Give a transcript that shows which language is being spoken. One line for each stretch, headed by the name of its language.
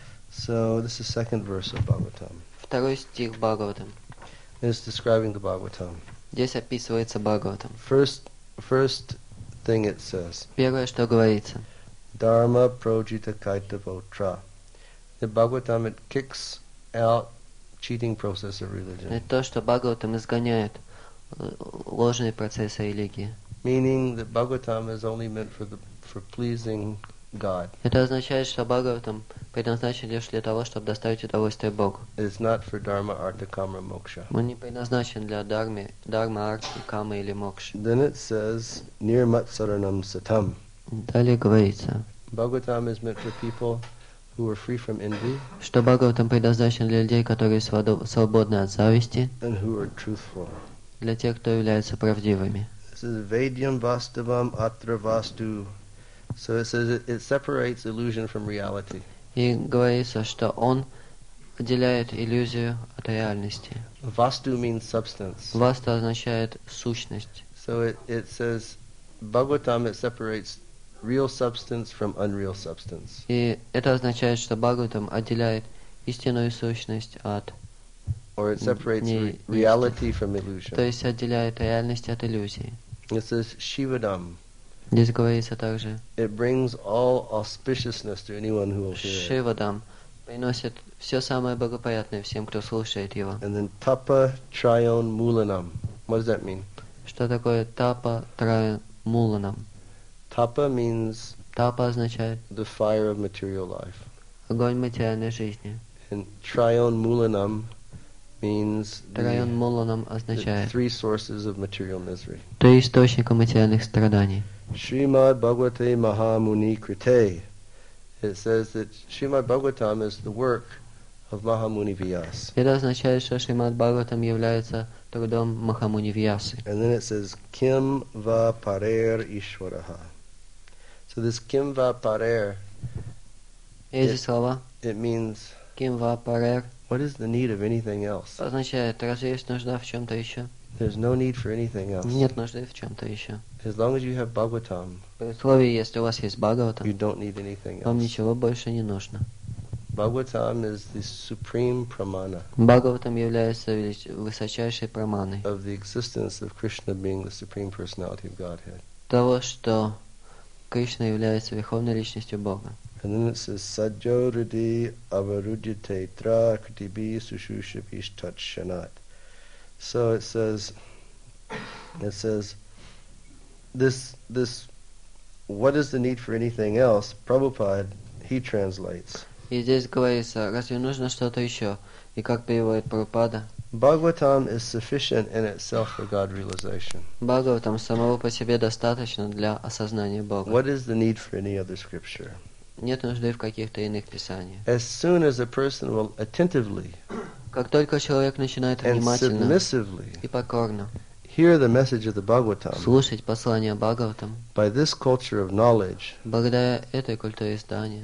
English: So this is the second verse of Bhagavatam.
Russian: Второй стих Бхагаватам.
English: It's describing the Bhagavatam.
Russian: Здесь описывается Бхагаватам.
English: First thing it says.
Russian: Первое, что говорится.
Sanskrit: Dharma projita kaita votra.
English: The Bhagavatam, it kicks out cheating process of religion.
Russian: Это то, что Бхагаватам изгоняет ложные процессы религии.
English: Meaning that Bhagavatam is only meant for pleasing God.
Russian: Это означает, что Бхагаватам предназначен лишь для того, чтобы доставить удовольствие Богу.
English: It's not for dharma, artha, kama, moksha.
Russian: Он не предназначен для дармы, дарма, арты, камы или мокши.
English: Then it says,
Sanskrit: nir matsaranam satam.
Russian: Далее говорится.
English: Bhagavatam is meant for people who are free from envy.
Russian: Что Бхагаватам предназначен для людей, которые свободны от зависти.
English: And who are truthful.
Russian: Для тех, кто является правдивыми.
English: It says
Sanskrit: vedyam vastavam atra vastu.
English: So it says it separates illusion from reality.
Russian: И говорится, что он отделяет иллюзию от реальности.
English: Vastu means substance.
Russian: Vastu означает сущность.
English: So it says Bhagavatam, it separates real substance from unreal substance.
Russian: И это означает, что Бхагаватам отделяет истинную сущность от
English: Or it separates
Russian: не
English: reality
Russian: истин.
English: From illusion.
Russian: То есть отделяет реальность от иллюзии.
English: It says Shivadam.
Russian: Здесь говорится также.
English: It brings all auspiciousness to anyone who will hear it.
Russian: Shivadam приносит все самое благоприятное всем, кто слушает его.
English: And then
Sanskrit: Tapa Trayon Mulanam.
English: What does that mean?
Russian: Что такое
Sanskrit: Tapa Trayon Mulanam?
English: Tapa means
Russian: Tapa означает
English: the fire of material life.
Russian: Огонь материальной жизни.
English: And Trayon Mulanam means
Sanskrit: Trayon Mulanam
Russian: означает
English: the three sources of material misery.
Russian: Три источника материальных страданий.
Sanskrit: Shrimad Bhagavate Mahamuni Krite.
English: It says that Shrimad Bhagavatam is the work of Mahamuni Vyas.
Russian: Это означает, что Шримад Бхагаватам является трудом Махамуни Вьясы.
English: And then it says
Sanskrit: Kim Va Parer Ishwaraha.
English: So this
Sanskrit: Kim Va Parer.
Russian: Эти слова.
English: It means
Sanskrit: Kim Va Parer.
English: What is the need of anything else?
Russian: Означает, разве есть нужда в чем-то еще?
English: There's no need for anything else.
Russian: Нет нужды в чем-то еще.
English: As long as you have Bhagavatam.
Russian: При условии, если у вас есть Бхагаватам.
English: You don't need anything else.
Russian: Вам ничего больше не нужно.
English: Bhagavatam is the supreme pramana.
Russian: Бхагаватам является высочайшей праманой.
English: Of the existence of Krishna being the supreme personality of Godhead.
Russian: Того, что Кришна является верховной личностью Бога.
English: And then it says
Sanskrit: Sajjo Riddhi Avarudyate Tra Kritibhi Sushushabhish Tatshanat.
English: So it says this what is the need for anything else? Prabhupada, he translates.
Russian: И здесь говорится, разве нужно что-то еще? И как переводит Прабхупада?
English: Bhagavatam is sufficient in itself for God realization.
Russian: Бхагаватам самого по себе достаточно для осознания Бога.
English: What is the need for any other scripture?
Russian: Нет нужды в каких-то иных писаниях.
English: As soon as a person will attentively
Russian: Как только человек начинает внимательно и покорно
English: hear the message of the Bhagavatam,
Russian: слушать послание Бхагаватам
English: by this culture of knowledge,
Russian: благодаря этой культуре знания